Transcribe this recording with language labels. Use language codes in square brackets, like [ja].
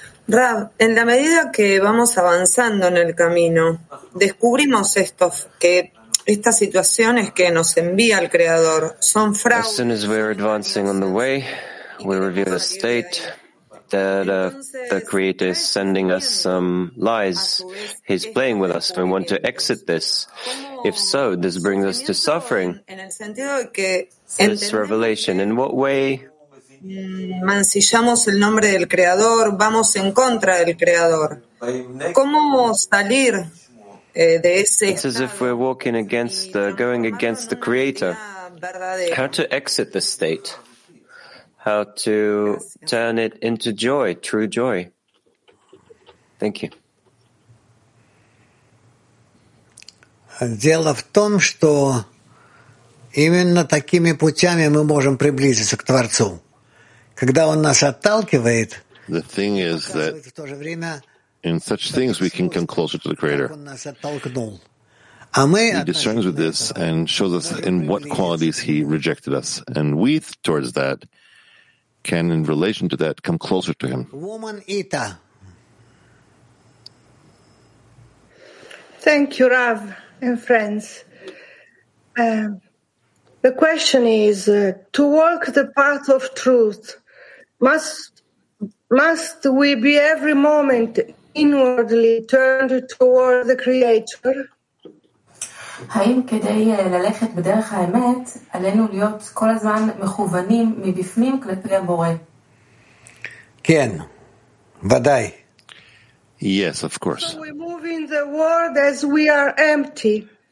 [es] Rav, en la medida que vamos avanzando en el camino, descubrimos esto que... Estas situaciones que nos envía el Creador son fraudes. [en] As soon as we're advancing on the way, we reveal a state that the Creator is sending us some lies. He's playing with us. We want to exit this. If so, this brings us to suffering. This revelation, in what way? [es] Mancillamos el nombre del Creador, vamos en contra del Creador. ¿Cómo salir [en] It's as if we're walking against, going against the Creator. How to exit the state? How to turn it into joy, true joy? Thank you. [ru] Дело в том, что именно такими путями мы можем приблизиться к Творцу, когда Он нас отталкивает. [en] The thing is that in such things we can come closer to the Creator. He discerns with this and shows us in what qualities He rejected us, and we towards that can, in relation to that, come closer to Him. Woman Ita. Thank you, Rav. And friends, the question is, to walk the path of truth, must we be every moment inwardly turned toward the Creator? [he] האם כדי ללכת בדרך האמת, עלינו להיות כל הזמן מכוונים מבפנים כלפי הבורא? כן, ודאי. [en] Yes, of course. So we move in the world as we are empty.